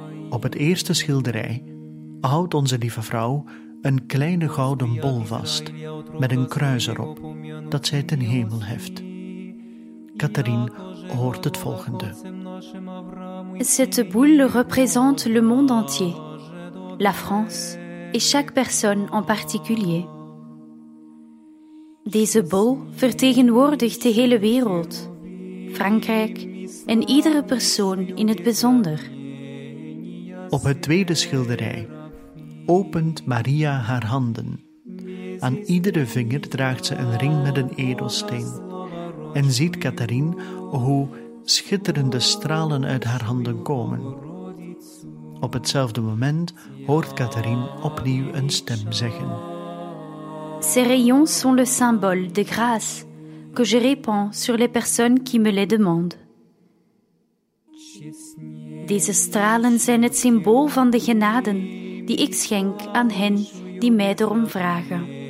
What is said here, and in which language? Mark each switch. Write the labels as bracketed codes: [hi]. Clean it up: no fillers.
[nl] Op het eerste schilderij houdt onze lieve vrouw een kleine gouden bol vast met een kruis erop dat zij ten hemel heft. Catherine hoort het volgende: [fr] Cette boule représente le monde entier, la France et chaque personne en particulier. [nl] Deze bol vertegenwoordigt de hele wereld, Frankrijk en iedere persoon in het bijzonder. Op het tweede schilderij opent Maria haar handen. Aan iedere vinger draagt ze een ring met een edelsteen. En ziet Catherine hoe schitterende stralen uit haar handen komen. Op hetzelfde moment hoort Catherine opnieuw een stem zeggen: [fr] Ces rayons sont le symbole de grâce que je répands sur les personnes qui me les demandent. [nl] Deze stralen zijn het symbool van de genaden die ik schenk aan hen die mij erom vragen.